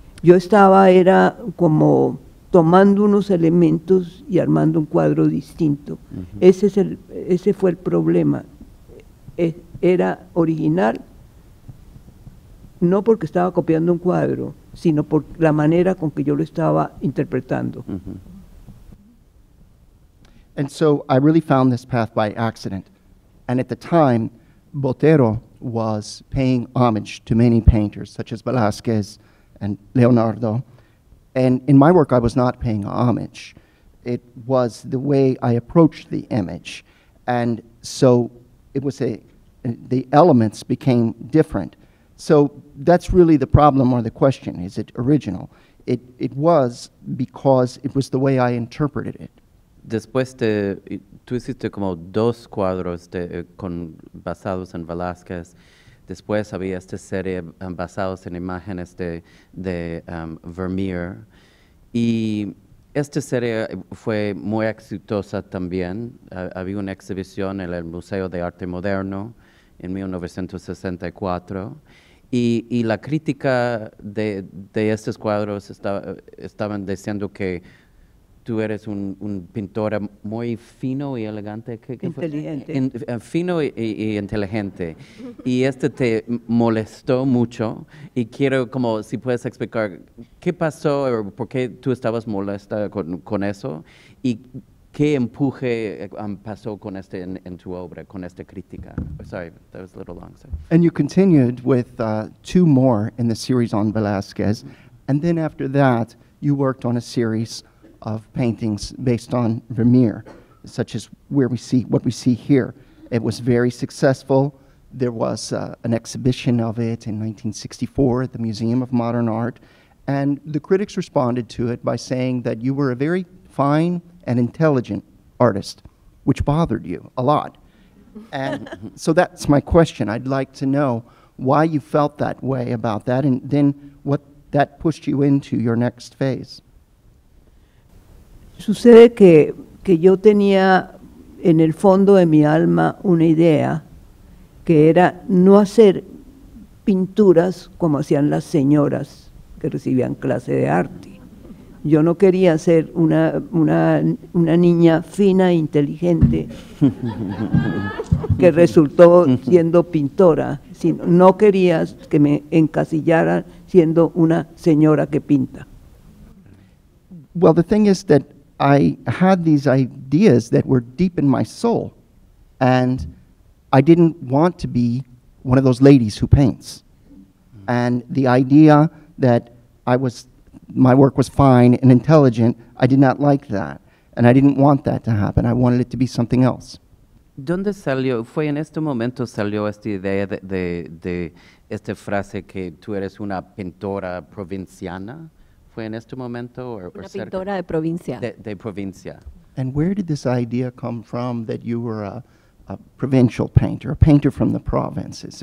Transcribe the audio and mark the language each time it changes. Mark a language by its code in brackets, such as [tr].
[es] Yo estaba, era como tomando unos elementos y armando un cuadro distinto. Uh-huh. Ese fue el problema. Era original, no porque estaba copiando un cuadro, sino por la manera con que yo lo estaba interpretando. Uh-huh. [en] And so I really found this path by accident. And at the time, Botero was paying homage to many painters, such as Velázquez and Leonardo, and in my work I was not paying homage. It was the way I approached the image, and so it was the elements became different. So that's really the problem or the question, is it original? It was because it was the way I interpreted it. [es] Después tú hiciste como dos cuadros basados en Velázquez. Después había esta serie basados en imágenes de Vermeer. Y esta serie fue muy exitosa también. Había una exhibición en el Museo de Arte Moderno en 1964. Y la crítica de estos cuadros estaban diciendo que tú eres un pintor muy fino y elegante. Inteligente. Fino y inteligente. Y este te molestó mucho. Y quiero, como si puedes explicar, ¿qué pasó o por qué tú estabas molesta con eso? ¿Y qué empuje pasó con este en tu obra, con esta crítica? [en] Sorry, that was a little long. Sorry. And you continued with two more in the series on Velázquez. And then after that, you worked on a series of paintings based on Vermeer, such as what we see here. It was very successful. There was an exhibition of it in 1964 at the Museum of Modern Art, and the critics responded to it by saying that you were a very fine and intelligent artist, which bothered you a lot. And so that's my question. I'd like to know why you felt that way about that, and then what that pushed you into your next phase. [es] Sucede que yo tenía en el fondo de mi alma una idea que era no hacer pinturas como hacían las señoras que recibían clase de arte. Yo no quería ser una niña fina e inteligente que resultó siendo pintora, sino no quería que me encasillaran siendo una señora que pinta. [en] Well, the thing is that I had these ideas that were deep in my soul, and I didn't want to be one of those ladies who paints. And the idea that I was my work was fine and intelligent. I did not like that, and I didn't want that to happen. I wanted it to be something else. [es] ¿Dónde salió? ¿Fue en este momento salió esta idea de esta frase que tú eres una pintora provinciana? ¿Fue en este momento? Una pintora de provincia. De provincia. [en] And where did this idea come from that you were a provincial painter, a painter from the provinces?